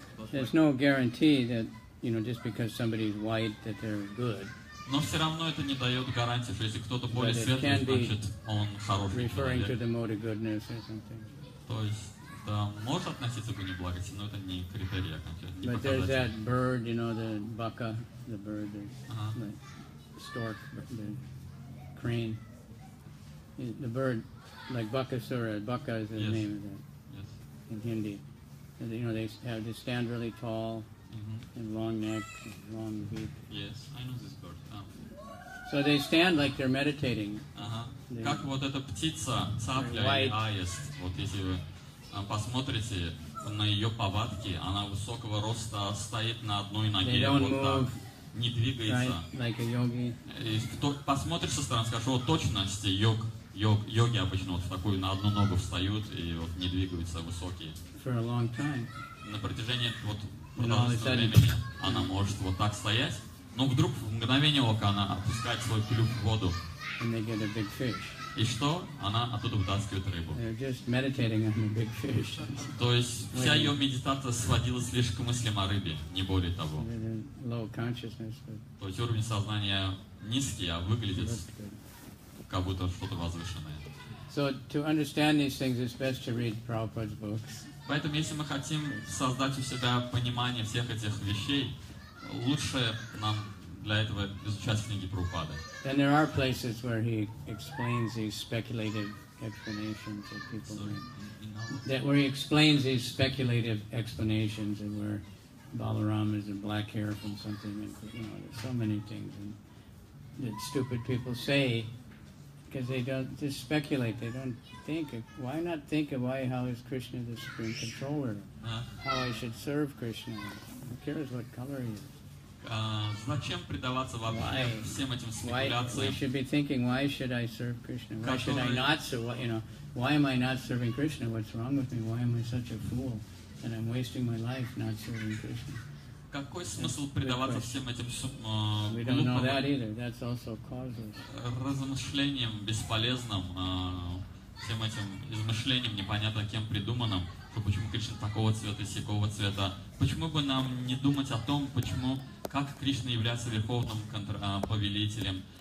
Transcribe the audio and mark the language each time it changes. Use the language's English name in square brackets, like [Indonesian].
[English] There's no guarantee that, you know, just because somebody's white that they're good. [Russian] Но все равно это не дает гарантии, что если кто-то более светлый, значит он хороший. [English] Referring to the mode of goodness or something. [Russian] То есть это может относиться к неблагости, но это не критерий окончательный. [English] But there's that bird, you know, the baka, the bird, the, the stork, the crane. The bird, like bakasura, baka is the yes. name of that yes. in Hindi. And, you know, they have they stand really tall and long neck, and long beak. Yes, I know this bird. So they stand like they're meditating. [Russian] Как вот эта птица, цапля или аист, вот если вы посмотрите на ее повадки, она высокого роста стоит на одной ноге, вот так, не двигается. [English] Right, like a yogi. [Russian] И кто посмотришь со стороны, скажешь, вот точности йоги обычно вот в такую на одну ногу встают и вот не двигаются высокие. [English] For a long time. [Russian] На протяжении вот продолжительного времени она может вот так стоять, но вдруг в мгновение ока она опускает свой клюв в воду. [English] And they get a big fish. [Russian] И что? Она оттуда вытаскивает рыбу. [English] They're just meditating on the big fish. [Russian] То есть вся ее медитация сводилась лишь к мыслям о рыбе, не более того. [English] Low consciousness, but... [Russian] То есть уровень сознания низкий, а выглядит как будто что-то возвышенное. [English] So to understand these things, it's best to read Prabhupada's books. [Russian] Поэтому если мы хотим создать у себя понимание всех этих вещей, лучше нам для этого изучать книги Прабхупады. [English] And there are places where he explains these speculative explanations that people make. That where he explains these speculative explanations and where Balaram is in black hair from something and you know, there's so many things and that stupid people say because they don't just speculate, they don't think of, why not think of why how is Krishna the supreme controller? How I should serve Krishna. Who cares what color he is? [Russian] Зачем предаваться вообще всем этим спекуляциям? [English] We should be thinking, why should I serve Krishna? Why should I not serve, you know, why am I not serving Krishna? What's wrong with me? Why am I such a fool? And I'm wasting my life not serving Krishna. [Russian] Какой смысл предаваться всем этим [English] We don't know that either. That's also causeless. [Russian] Размышлением бесполезным, всем этим измышлением непонятно кем придуманным, что почему Кришна такого цвета и сякого цвета. Почему бы нам не думать о том, почему как Кришна является верховным повелителем?